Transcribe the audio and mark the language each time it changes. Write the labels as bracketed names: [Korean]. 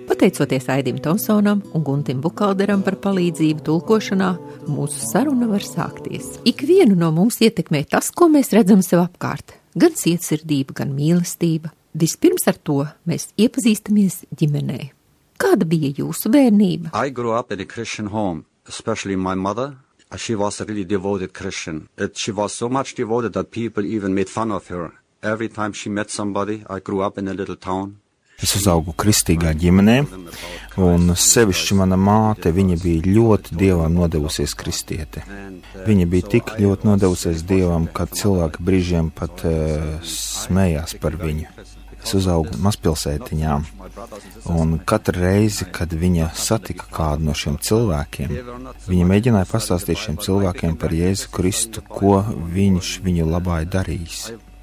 [Latvian] Pateicoties Aidim Tomsonam un Guntim Bukalderam par palīdzību tulkošanā, mūsu saruna var sākties. Ikvienu no mums ietekmē tas, ko mēs redzam sev apkārt. Gan sirdsirdība, gan mīlestība. Vispirms ar to mēs iepazīstamies ģimenē. Kāda bija jūsu bērnība? [English] I grew up in a Christian home, especially my mother. She was a really devoted Christian. She was so much devoted that people even made fun of her. Every time she met somebody, I grew up in a little town. [Latvian] Es uzaugu kristīgā ģimenē, un sevišķi mana māte, viņa bija ļoti Dievam nodevusies kristiete. Viņa bija tik ļoti nodevusies Dievam, ka cilvēki brīžiem pat smējās par viņu. Es uzaugu mazpilsētiņā, un katru reizi, kad viņa satika kādu no šiem cilvēkiem, viņa mēģināja pastāstīt šiem cilvēkiem par Jēzu Kristu, ko viņš viņu labāji darījis.